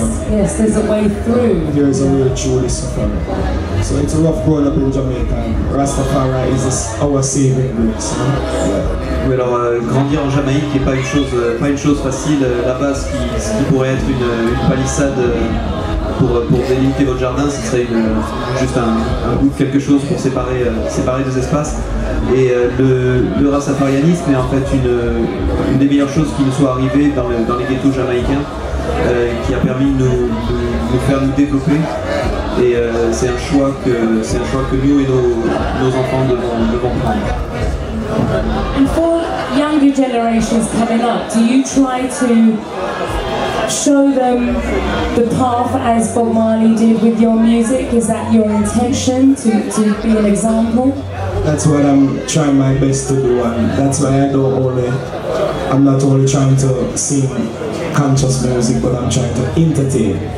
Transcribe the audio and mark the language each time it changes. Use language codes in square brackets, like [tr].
[en] Yes, there's a way through. There is a way through this suffering. So it's a rough growing up in Jamaica. Rastafari is our saving grace. [fr] Oui, alors grandir en Jamaïque n'est pas une chose facile. La base qui pourrait être une palissade pour délimiter votre jardin, ce serait juste un bout de quelque chose pour séparer deux espaces. Et le rastafarianisme est en fait une des meilleures choses qui nous soit arrivée dans les ghettos jamaïcains. Qui a permis de nous faire développer. Et c'est un choix que nous et nos enfants devons prendre. [en] And for younger generations coming up, do you try to show them the path as Bob Marley did with your music? Is that your intention to be an example? That's what I'm trying my best to do, and that's why I'm not only trying to sing conscious music, but I'm trying to entertain.